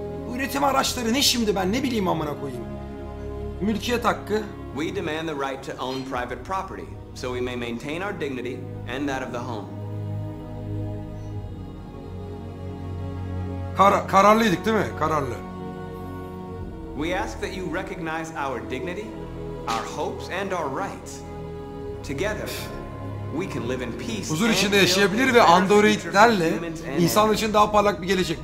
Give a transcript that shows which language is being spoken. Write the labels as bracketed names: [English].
[Turkish] Bu üretim araçları ne şimdi, ben ne bileyim amına koyayım. Mülkiyet hakkı. [English] We demand the right to own private property so we may maintain our dignity and that of the home. [Turkish] Kararlıydık değil mi? Kararlı. [English] We ask that you recognize our dignity, our hopes and our rights. Together we can live in peace. [Turkish] Huzur içinde yaşayabilir ve androidlerle insan için daha parlak bir gelecek.